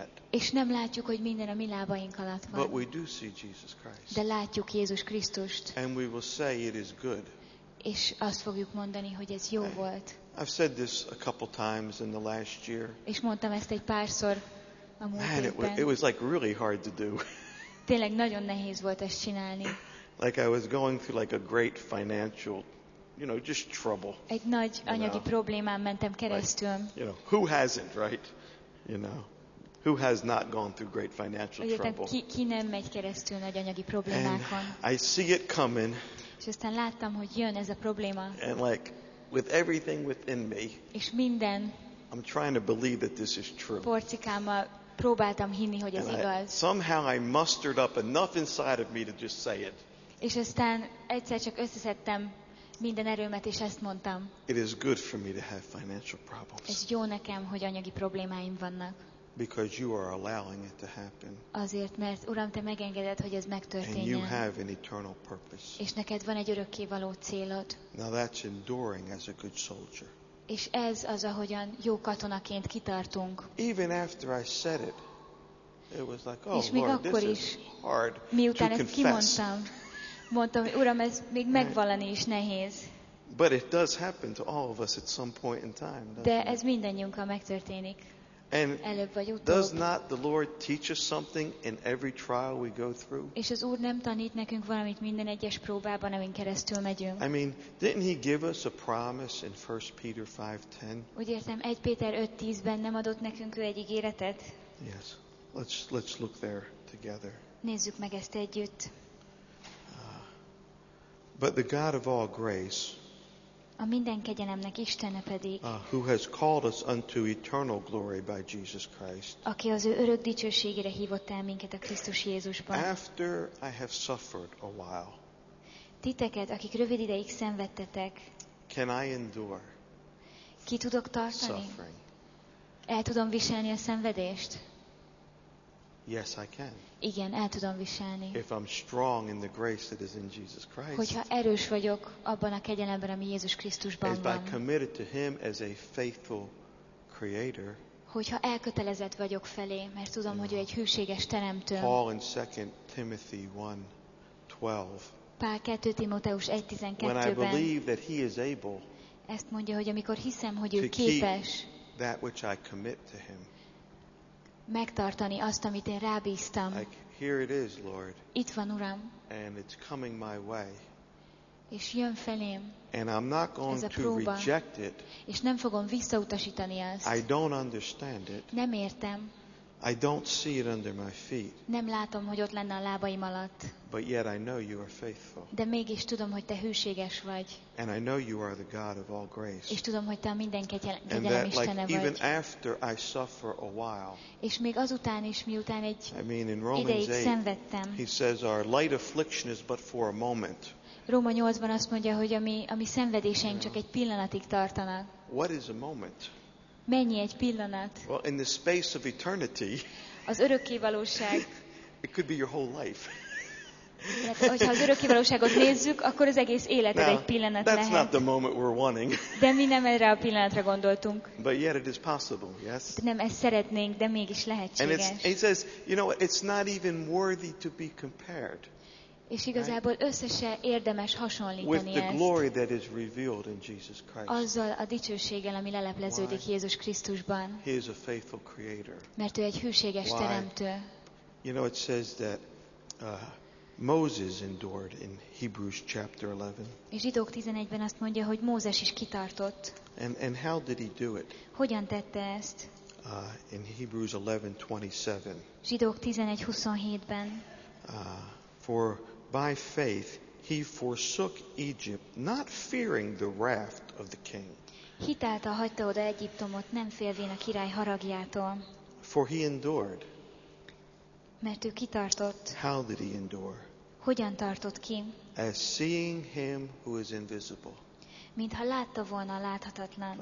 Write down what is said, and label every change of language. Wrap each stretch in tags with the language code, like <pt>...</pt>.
<hu>És nem látjuk, hogy minden a mi lábaink alatt van.</hu> <en>But we do see Jesus Christ.</en> <hu>De látjuk Jézus Krisztust.</hu> <en>And we will say it is good.</en> <hu>És azt fogjuk mondani, hogy ez jó volt.</hu> <en>I've said this a couple times in the last year.</en> <hu>És mondtam ezt egy párszor a múlt évben.</hu> <en>It was like really hard to do.</en> <hu>Tényleg nagyon nehéz volt ezt csinálni.</hu> <en>Like I was going through like a great financial, you know, just trouble.</en> <hu>Egy nagy anyagi problémán mentem keresztül.</hu> <en>Like, you know, who hasn't, right? You know, who has not gone through great financial trouble?</en> <hu>Ki nem megy keresztül nagy anyagi problémákon?</hu> <en>And I see it coming.</en> <hu>És aztán láttam, hogy jön ez a probléma.</hu> <en>And like, with everything within me,</en> <hu>és minden,</hu> <en>I'm trying to believe that this is true.</en> <hu>Porcikámmal próbáltam hinni, hogy ez igaz.</hu> <en>Somehow I mustered up enough inside of me to just say it.</en> <hu>És aztán egyszer csak összeszedtem minden erőmet, és ezt mondtam.</hu> <en>It is good for me to have financial problems.</en> <hu>Ez jó nekem, hogy anyagi problémáim vannak.</hu> <en>Because you are allowing it to happen.</en> <hu>Azért, mert Uram, te megengeded, hogy ez megtörténjen.</hu> <en>And you have an eternal purpose.</en> <hu>És neked van egy örökkévaló célod.</hu> <en>Now that's enduring as a good soldier.</en> <hu>És ez az, ahogyan jó katonaként kitartunk.</hu> <en>Even after I said it, it was like, oh,</en> <hu>és még</hu> <en>Lord,</en> <hu>akkor</hu> <en>this is hard to confess.</en> <hu>Miután ezt kimondtam, mondtam, hogy Uram, ez még megvallani is nehéz.</hu> <en>But it does happen to all of us at some point in time.</en> <hu>De ez mindannyiunkkal megtörténik.</hu> <en>And</en> <hu>előbb vagy utóbb.</hu> <en>Does not the Lord teach us something in every trial we go through?</en> <hu>És az Úr nem tanít nekünk valamit minden egyes próbában, amin keresztül megyünk?</hu> <en>I mean, didn't he give us a promise in 1 Peter 5:10?</en> <hu>Úgy értem, 1 Péter 5:10-ben nem adott nekünk ő egy ígéretet?</hu> <en>Yes. Let's look there together.</en> <hu>Nézzük meg ezt együtt.</hu> <en>But the God of all grace,</en> <hu>a minden kegyelemnek Istene pedig,</hu> <en>who has called us unto eternal glory by Jesus Christ,</en> <hu>aki az ő örök dicsőségére hívott el minket a Krisztus Jézusban.</hu> <en>After I have suffered a while,</en> <hu>titeket, akik rövid ideig szenvedtetek,</hu> <en>can I endure?</en> <hu>Ki tudok tartani? El tudom viselni a szenvedést?</hu> <en>Yes, I can.</en> <hu>Igen, el tudom viselni.</hu> <en>If I'm strong in the grace that is in Jesus Christ.</en> <hu>Hogyha erős vagyok abban a kegyelemben, ami Jézus Krisztusban van.</hu> <en>As I committed to him as a faithful creator.</en> <hu>Hogyha elkötelezett vagyok felé, mert tudom, hogy ő egy hűséges teremtő.</hu> <en>Paul in 2 Timothy 1:12.</en> <hu>Pál 2 Timóteus 1:12-ben.</hu> <en>When I believe that he is able.</en> <hu>Ezt mondja, hogy amikor hiszem, hogy ő képes.</hu> <en>That which I commit to him.</en> <hu>Megtartani azt, amit én rábíztam.</hu> <en>Like, here it is, Lord.</en> <hu>Itt van, Uram.</hu> <en>And it's coming my way.</en> <hu>És jön felém.</hu> <en>And I'm not going to reject it.</en> <hu>És nem fogom visszautasítani ezt.</hu> <en>I don't understand it.</en> <hu>Nem értem.</hu> <en>I don't see it under my feet.</en> <hu>Nem látom, hogy ott lenne a lábaim alatt.</hu> <en>But yet I know you are faithful.</en> <hu>De mégis tudom, hogy te hűséges vagy.</hu> <en>And I know you are the God of all grace.</en> <hu>És tudom, hogy te a minden kegyelem Istene vagy.</hu> <en>And that, like, even after I suffer a while.</en> <hu>És még azután is, miután egy</hu> <en>I mean, in Romans 8, he says our light affliction is but for a moment.</en> <hu>Róma 8-ban azt mondja, hogy a mi szenvedéseink csak egy pillanatig tartanak.</hu> <en>What is a moment?</en> <hu>Mennyi egy pillanat?</hu> <en>Well, in the space of eternity,</en> <hu>az örökkévalóság.</hu> <en>It could be your whole life.</en> <hu>Hogyha az örökkévalóságot nézzük, akkor az egész életed egy pillanat</hu> <en>that's</en> <hu>lehet.</hu> <en>Not the moment we're wanting.</en> <hu>De mi nem erre a pillanatra gondoltunk.</hu> <en>But yet it is possible, yes?</en> <hu>De nem ezt szeretnénk, de mégis lehetséges.</hu> <en>And he says, you know, it's not even worthy to be compared.</en> <hu>És igazából összesen érdemes hasonlítani</hu> <en>with</en> <hu>ezt.</hu> <en>The glory that is revealed in Jesus Christ.</en> <hu>Azzal a dicsőséggel, ami lelepleződik</hu> <en>Why?</en> <hu>Jézus Krisztusban.</hu> <en>He is a faithful creator.</en> <hu>Mert ő egy hűséges</hu> <en>Why?</en> <hu>Teremtő.</hu> <en>You know, it says that Moses endured in Hebrews chapter 11.</en> <hu>És Zsidók 11-ben azt mondja, hogy Mózes is kitartott.</hu> <en>And how did he do it?</en> <hu>Hogyan tette ezt?</hu> <en>In Hebrews 11:27.</en> <hu>Zsidók 11:27-ben.</hu> <en>For by faith he forsook Egypt, not fearing the wrath of the king.</en> <hu>Hitáltal hagyta oda Egyiptomot, nem félvén a király haragjától.</hu> <en>For he endured.</en> <hu>Mert ő kitartott.</hu> <en>How did he endure?</en> <hu>Hogyan tartott ki?</hu> <en>As seeing him who is invisible.</en> <hu>Mintha látta volna a láthatatlant.</hu>